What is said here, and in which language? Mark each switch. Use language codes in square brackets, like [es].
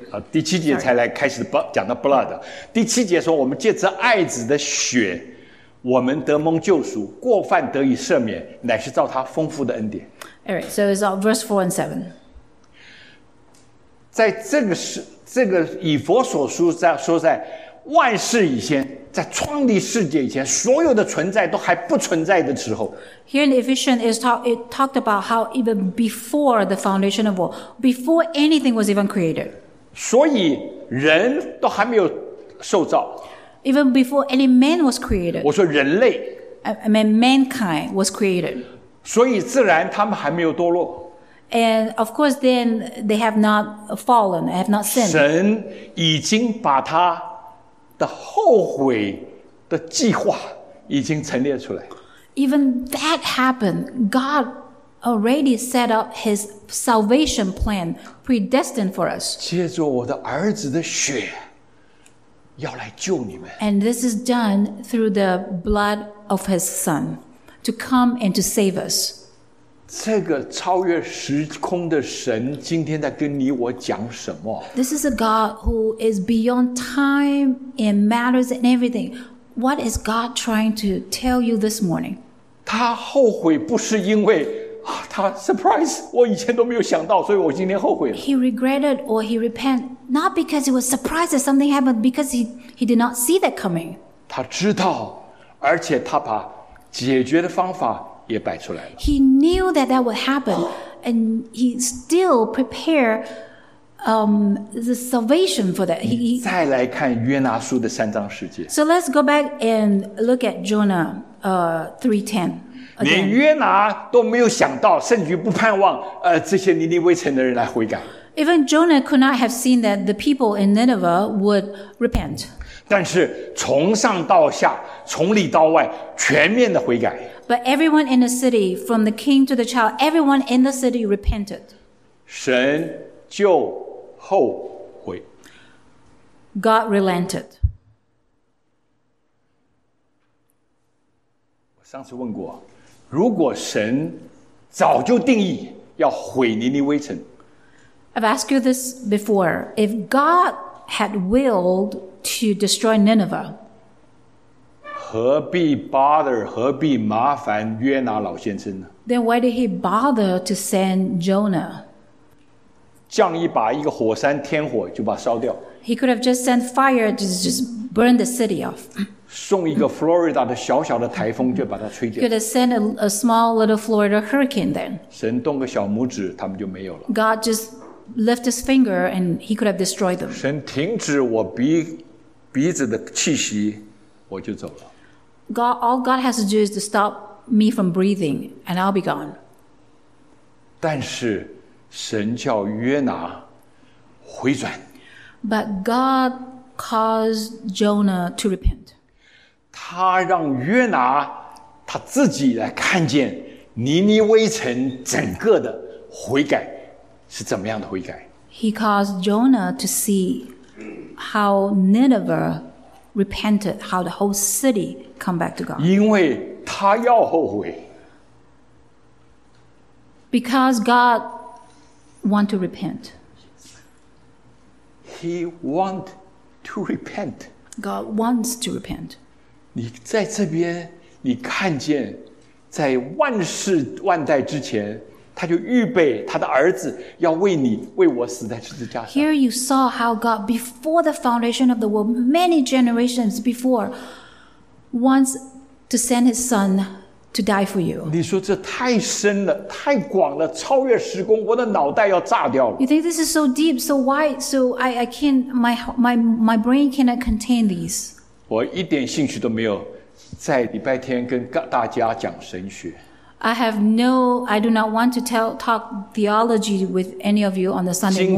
[zh] 第七节才来开始讲到 blood。第七节说，我们借着爱子的血我们得蒙救赎，过犯得以赦免，乃是照他丰富的恩典。 [en] Alright, so it's verse 4 and 7. [zh] 在这个以弗所书说在万事以前，在创立世界以前，所有的存在都还不存在的时候。 [en] Here in Ephesians, it talked about how even before the foundation of all, before anything was even created. [zh] 所以人都还没有受造。 [en] Even before any man was created. [zh] 我说人类。 [en] I mean mankind was created. [zh] 所以自然他们还没有堕落。 [en] And of course then they have not fallen, have not sinned. [zh] 神已经把他的后悔的计划已经陈列出来。 [en] Even that happened, God already set up his salvation plan predestined for us. [zh] 借着我的儿子的血。要来救你们。 [en] And this is done through the blood of his son to come and to save us. [zh] 这个超越时空的神今天在跟你我讲什么？ [en] This is a God who is beyond time and matters and everything. What is God trying to tell you this morning? [zh] 他后悔不是因为他 [en] surprise [zh] 我以前都没有想到，所以我今天后悔了。 [en] He regretted or he repent not because he was surprised that something happened, because he did not see that coming. [zh] 他知道，而且他把解决的方法也摆出来了。 [en] He knew that that would happen, and he still prepared the salvation for that. [zh] 再来看约拿书的三章十节。 [en] So let's go back and look at Jonah 3:10. [zh] 连约拿都没有想到，甚至不盼望，这些尼尼微城的人来悔改。 [en] Even Jonah could not have seen that the people in Nineveh would repent. [zh] 但是从上到下，从里到外，全面的悔改。 [en] But everyone in the city, from the king to the child, everyone in the city repented. [zh] 神就后悔。 [en] God relented. [zh] 上次问过，如果神早就定义要毁尼尼微城 [en] ，I've asked you this before. If God had willed to destroy Nineveh, [zh] 何必 [en] bother? [zh] 何必麻烦约拿老先生呢 [en] ？Then why did he bother to send Jonah? [zh] 降一把一个火山天火就把烧掉。 [en] He could have just sent fire to just burn the city off. [zh] 送一个 Florida 的小小的台风就把它吹掉。 [en] Could have sent a small little Florida hurricane then. [zh] 神动个小拇指，他们就没有了。 [en] God just lift his finger and he could have destroyed them. [zh] 神停止我鼻子的气息，我就走了。 [en] God, all God has to do is to stop me from breathing and I'll be gone. [zh] 但是神叫约拿回转。 [en] But God caused Jonah to repent. [zh] 他让约拿他自己来看见尼尼微城整个的悔改是怎么样的悔改。 [en] He caused Jonah to see how Nineveh repented, how the whole city come back to God. [zh] 因为他要后悔。 [en] Because God want to repent. He want to repent. God wants to repent. [zh] 你在这边，你看见在万世万代之前，他就预备他的儿子要为你为我死在十字架上。 [en] Here you saw how God before the foundation of the world, many generations before, wants to send his son. To die for you. [zh] 你说这太深了，太广了，超越时空，我的脑袋要炸掉了。 [en] You think this is so deep, so wide, so I can't, my brain cannot contain these. [zh] 我一点兴趣都没有，在礼拜天跟大家讲神学。 [en] I do not want to talk theology with any of you on the Sunday morning.